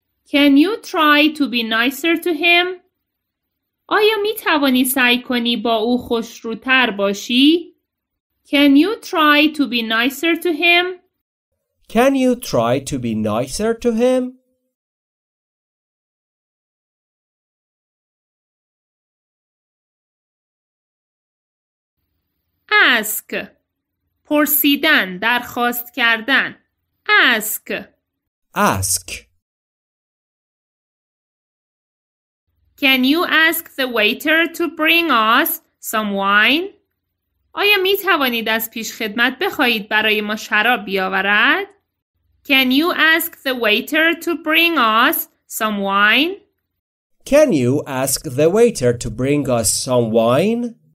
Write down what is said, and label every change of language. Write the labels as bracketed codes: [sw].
[en] Can you try to be nicer to him? [fa] آیا می توانی سعی کنی با او خوشروتر باشی؟ [en] Can you try to be nicer to him? Can you try to be nicer to him? [fa] Ask. پرسیدن، درخواست کردن. Ask. [en] Ask. Can you ask the waiter to bring us some wine? [fa] آیا می توانید از پیش خدمت بخواهید برای ما شراب بیاورد؟ [en] Can you ask the waiter to bring us some wine? Can you ask the waiter to bring us some wine?